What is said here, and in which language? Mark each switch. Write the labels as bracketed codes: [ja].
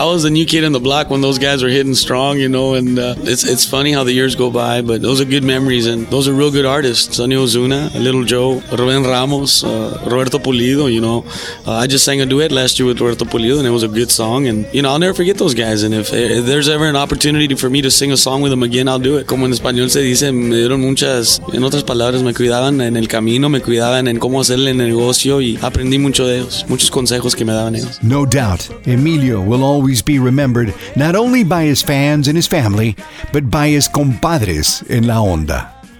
[en] I was the new kid in the block when those guys were hitting strong, you know, and it's funny how the years go by, but those are good memories, and those are real good artists. Sonny Ozuna, Little Joe, Rubén Ramos, Roberto Pulido, you know. I just sang a duet last year with Roberto Pulido, and it was a good song, and, you know, I'll never forget those guys, and if there's ever an opportunity for me to sing a song with them again, I'll do it. [es] Como en español se dice, me dieron muchas, en otras palabras, me cuidaban en el camino, me cuidaban en cómo hacer el negocio, y aprendí mucho de ellos, muchos consejos que me daban ellos. [en] No doubt, Emilio will always be remembered not only by his fans and his family, but by his [es] compadres en La Onda.